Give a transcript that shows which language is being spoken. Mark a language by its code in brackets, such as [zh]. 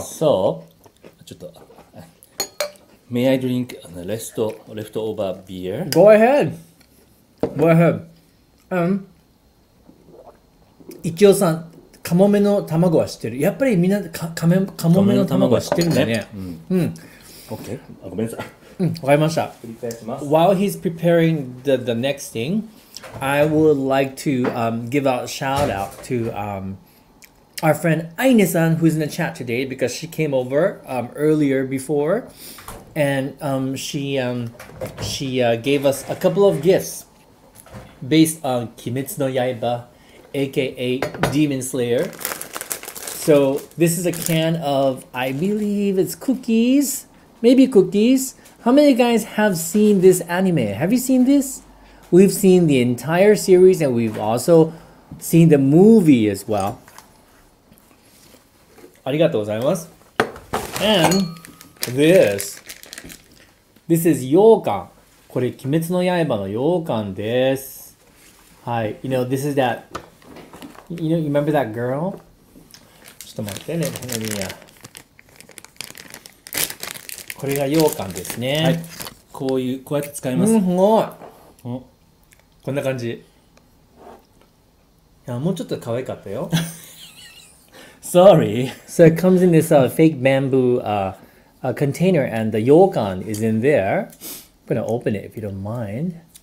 [en] そう。ちょっと。 May I drink leftover beer? Go ahead! Go ahead! [ja] イチオさん、カモメの卵は知ってる。やっぱりみんなカモメの卵は知ってるんだね。 OK、ごめんなさい。わかりました。 [en] While he's preparing the next thing, I would like to give a shout out to our friend Aine-san, who's in the chat today, because she came over earlier before. And she gave us a couple of gifts based on Kimetsu no Yaiba, aka Demon Slayer. So this is a can of, I believe it's cookies, maybe cookies. How many guys have seen this anime? Have you seen this? We've seen the entire series and we've also seen the movie as well. [ja] ありがとうございます。 [en] And this. This is 羊羹。 [ja] これ、鬼滅の刃の羊羹です。 [en] はい。You know, this is that... You know, you remember that girl? ちょっと待ってね。 [ja] これが羊羹ですね。はい。こういう、こうやって使います。すごい。こんな感じ。いや、もうちょっと可愛かったよ。 [en] Sorry. So it comes in this fake bamboo... A container and the yōkan is in there. I'm gonna open it if you don't mind.